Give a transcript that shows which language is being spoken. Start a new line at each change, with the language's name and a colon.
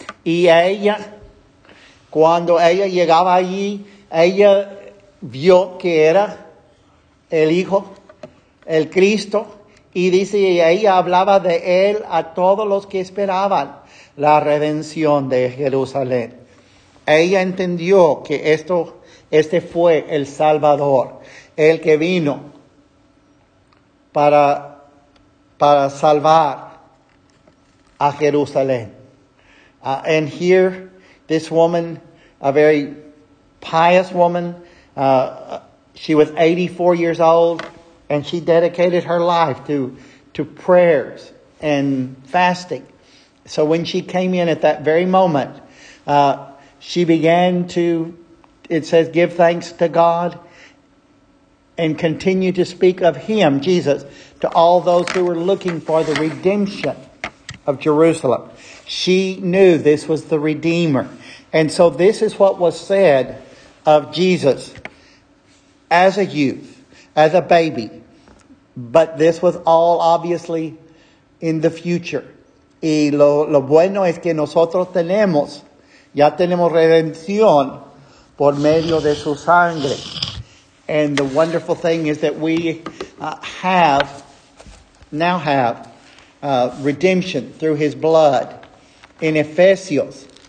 Spanish: Y ella, cuando ella llegaba allí, ella vio que era el Hijo, el Cristo, y dice, y ella hablaba de él a todos los que esperaban la redención de Jerusalén. Ella entendió que este fue el Salvador, el que vino para salvar a Jerusalén.
English: And here, this woman, a very pious woman, she was 84 years old, and she dedicated her life to prayers and fasting. So when she came in at that very moment, she began to, it says, give thanks to God and continue to speak of him, Jesus, to all those who were looking for the redemption of Jerusalem. She knew this was the Redeemer. And so this is what was said of Jesus as a youth, as a baby. But this was all obviously in the future.
Spanish: Y lo bueno es que nosotros tenemos, ya tenemos redención por medio de su sangre.
English: And the wonderful thing is that we have redemption through his blood. In Ephesians,